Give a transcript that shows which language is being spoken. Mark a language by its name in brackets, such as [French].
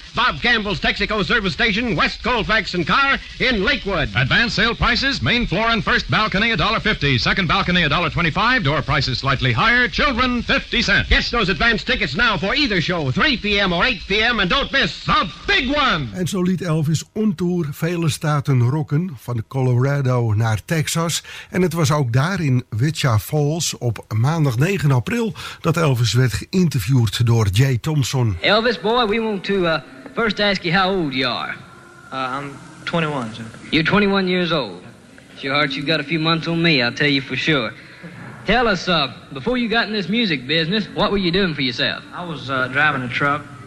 [English] Bob Campbell's Texaco Service Station, West Colfax and Carr in Lakewood. Advance sale prices, main floor and first balcony, $1.50. Second balcony, $1.25. Door prices slightly higher. Children, 50 cents. Get those advance tickets now for either show, 3 p.m. or 8 p.m. And don't miss the big one. [Dutch] En zo liet Elvis on tour vele staten rocken, van Colorado naar Texas. En het was ook daar in Wichita Falls op maandag 9 april dat Elvis werd geïnterviewd door Jay Thompson. [English] Elvis, boy, we want to first ask you how old you are. I'm 21, sir. You're 21 years old. It's your heart, you've got a few months on me, I'll tell you for sure. Tell us, before you got in this music business, what were you doing for yourself? I was driving a truck.